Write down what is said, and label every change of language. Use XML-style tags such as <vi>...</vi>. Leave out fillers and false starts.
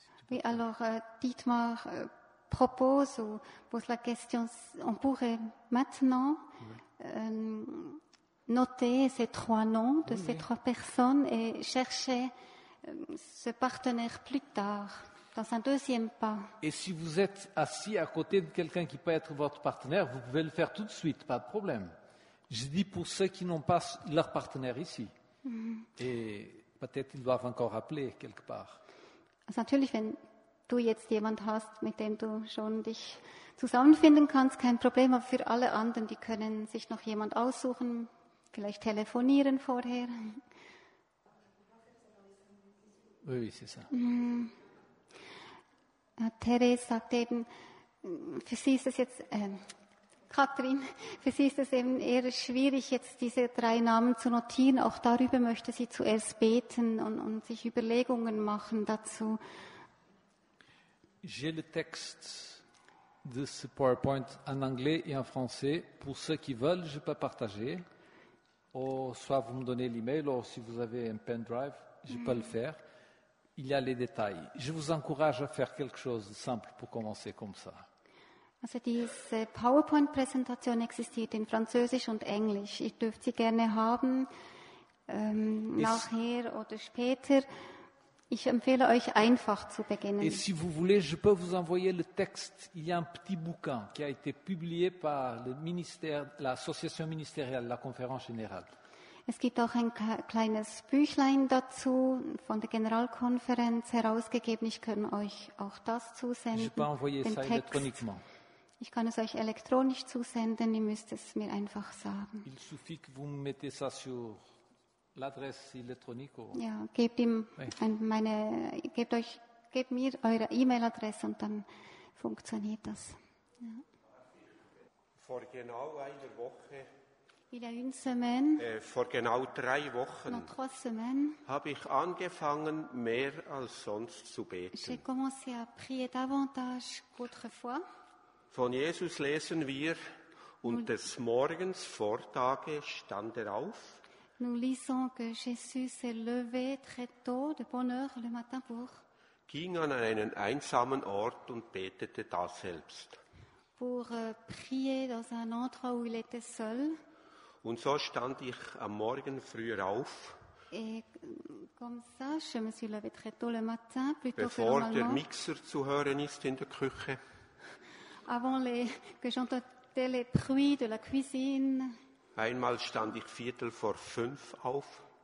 <fr>Oui, alors, Dietmar propose ou pose la question, on pourrait maintenant noter ces 3 noms de ces 3 personnes et chercher ce partenaire plus tard, dans un deuxième pas. Et si vous êtes assis à côté de quelqu'un qui peut être votre partenaire, vous pouvez le faire tout de suite, pas de problème. Je dis pour ceux qui n'ont pas leur partenaire ici et peut-être ils doivent encore appeler quelque part.</fr> <de>Also natürlich, wenn du jetzt jemand hast, mit dem du schon dich zusammenfinden kannst, kein Problem. Aber für alle anderen, die können sich noch jemand aussuchen, vielleicht telefonieren vorher.</de> <fr>Oui, oui, c'est ça.</fr> <de>Therese sagt eben, für sie ist es jetzt, Katrin, für sie ist es eben eher schwierig, jetzt diese 3 Namen zu notieren. Auch darüber möchte sie zuerst beten und sich Überlegungen machen dazu.</de> <fr>J'ai le texte de ce PowerPoint en anglais et en français. Pour ceux qui veulent, je peux partager. Ou soit vous me donnez l'email, ou si vous avez un pen drive, je peux le faire. Il y a les détails. Je vous encourage à faire quelque chose de simple pour commencer comme ça.</fr> <de>Also diese PowerPoint-Präsentation existiert in Französisch und Englisch. Ich dürfte sie gerne haben, nachher oder später. Ich empfehle euch einfach zu beginnen.</de> <fr>Et si vous voulez, je peux vous envoyer le texte. Il y a un petit bouquin qui a été publié par le ministère, l'association ministérielle, la conférence générale.</fr> <de>Es gibt auch ein kleines Büchlein dazu von der Generalkonferenz herausgegeben. Ich kann euch auch das zusenden.</de> <fr>Je peux envoyer ça électroniquement.</fr> <de>Ich kann es euch elektronisch zusenden. Ihr müsst es mir einfach sagen.</de> <fr>Il suffit que vous mettez ça sur l'adresse électronique. Ou...</fr> <de>Ja, gebt ihm meine, gebt euch, gebt mir eure E-Mail-Adresse und dann funktioniert das. Ja. Vor genau einer Woche.</de> <fr>Il y a une semaine,</fr> <de>vor genau drei Wochen</de> <fr>semaines,</fr> <de>habe ich angefangen, mehr als sonst zu beten.</de> <fr>J'ai commencé à prier davantage qu'autrefois.</fr> <de>Von Jesus lesen wir, und des Morgens vor Tage stand er auf.</de> <fr>Nous lisons que Jésus s'est levé très tôt, de bonne heure, le matin pour.</fr> <de>Ging an einen einsamen Ort und betete da selbst.</de> <fr>Pour prier dans un endroit où il était seul.</fr> <de>Und so stand ich am Morgen früher auf, bevor der Mixer zu hören ist in der Küche, einmal stand ich viertel vor fünf auf,</de>